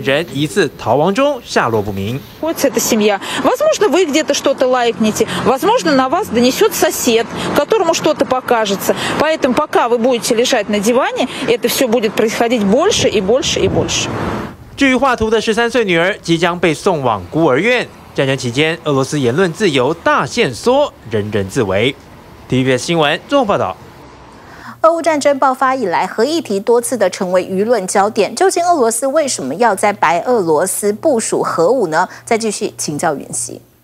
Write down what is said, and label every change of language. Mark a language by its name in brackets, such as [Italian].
[Chinese] 这位爸爸最后被重判2年，因为他在社群网站也发表反战言论。不过，目前人疑似逃亡中，下落不明。What's [Russian] эта семья? Возможно, вы где-то что-то лайкнете. Возможно, на вас донесет сосед, которому что-то покажется. Поэтому, пока вы будете лежать на диване, это все будет происходить больше и больше и больше. [Chinese] 至于画图的13岁女儿即将被送往孤儿院。战争期间，俄罗斯言论自由大限缩，人人自危。 TVBS 新闻综合报道：俄乌战争爆发以来，核议题多次的成为舆论焦点。究竟俄罗斯为什么要在白俄罗斯部署核武呢？再继续请教云溪。